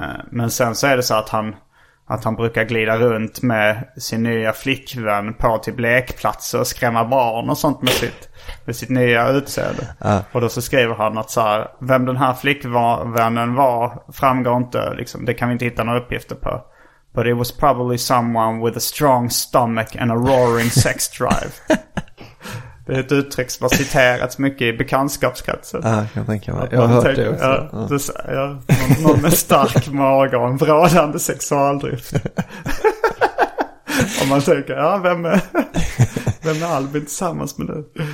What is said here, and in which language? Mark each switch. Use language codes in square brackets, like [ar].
[sv] Men sen så är det så att han brukar glida runt med sin nya flickvän på till lekplatser och skrämma barn och sånt med sitt nya utseende. Och då så skriver han att så här, vem den här flickvännen var framgår inte, liksom, det kan vi inte hitta några uppgifter på. [en] But it was probably someone with a strong stomach and a roaring sex drive. [sv] Det är ett uttryck som har citerats mycket i bekantskapskretsen. Ja, jag tänker mig. Jag har hört det också. Någon med stark mage och en vrålande sexualdrift. Om man tänker, ja, vem är Albin tillsammans med nu?